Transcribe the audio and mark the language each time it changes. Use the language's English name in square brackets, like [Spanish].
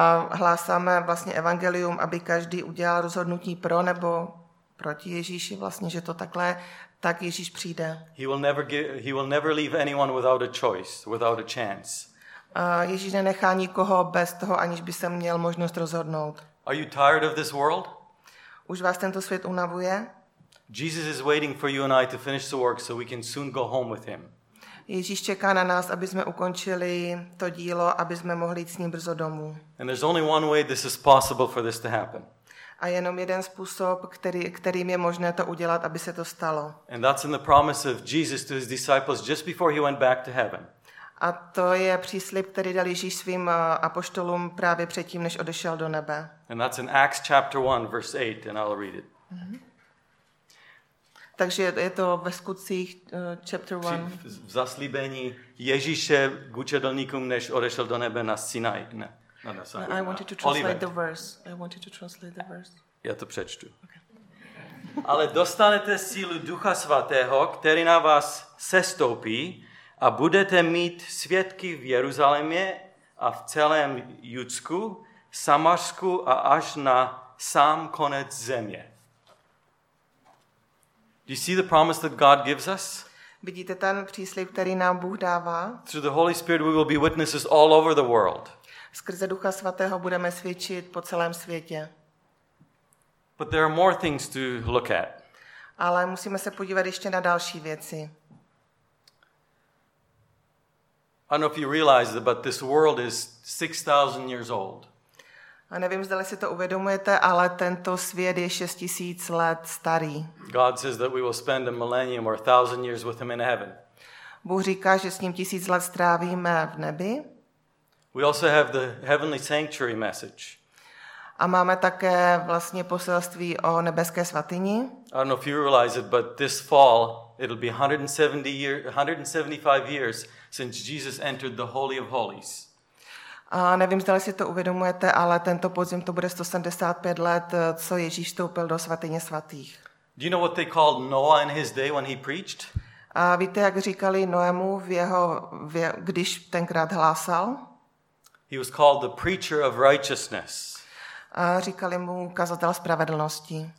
[Czech] Hlásáme vlastně evangelium, aby každý udělal rozhodnutí pro nebo proti Ježíši, vlastně že to takhle, tak Ježíš přijde. [English] He will never leave anyone without a choice, without a chance. [Czech] Ježíš nenechá nikoho bez toho, aniž by se měl možnost rozhodnout. [English] Are you tired of this world? [Czech] Už vás tento svět unavuje? [English] Jesus is waiting for you and I to finish the work so we can soon go home with him. [Czech] Ježíš čeká na nás, aby jsme ukončili to dílo, aby jsme mohli jít s ním brzo domů. [English] And there's only one way this is possible for this to happen. [Czech] A jenom jeden způsob, kterým je možné to udělat, aby se to stalo. [English] And that's in the promise of Jesus to his disciples just before he went back to heaven. [Czech] A to je příslib, který dal Ježíš svým apoštolům právě předtím, než odešel do nebe. [English] And that's in Acts chapter 1, verse 8, and I'll read it. Mm-hmm. [Czech] Takže je to ve Skutcích [English] chapter [Czech] 1. V zaslíbení Ježíše k učedlníkům, než odešel do nebe na Sinaj. Ne, [English] I wanted to translate Olivet. The verse. I wanted to translate the verse. [Czech] Já to přečtu. Okay. Ale dostanete sílu Ducha Svatého, který na vás sestoupí, a budete mít svědky v Jeruzalémě a v celém Judsku, Samařsku a až na sám konec země. [English] Do you see the promise that God gives us? [Czech] Vidíte ten příslib, který nám Bůh dává? [English] Through the Holy Spirit we will be witnesses all over the world. [Czech] Skrze Ducha Svatého budeme svědčit po celém světě. [English] But there are more things to look at. [Czech] Ale musíme se podívat ještě na další věci. [English] I don't know if you realize it, but this world is 6,000 years old. [Czech] A nevím, zdali si to uvědomujete, ale tento svět je 6,000 let starý. [English] God says that we will spend a millennium or 1,000 years with him in heaven. [Czech] Bůh říká, že s ním 1,000 let strávíme v nebi. [English] We also have the heavenly sanctuary message. [Czech] A máme také vlastně poselství o nebeské svatyni. [English] I don't know if you realize it, but this fall it'll be 175 years since Jesus entered the Holy of Holies. [Czech] A nevím, zda si to uvědomujete, ale tento podzim to bude 175 let, co Ježíš vstoupil do svatyně svatých. [English] Do you know what they called Noah in his day when he preached? [Czech] A víte, jak říkali Noému v jeho, když tenkrát hlásal? [English] He was called the preacher of righteousness. [Czech] A říkali mu kazatel spravedlnosti.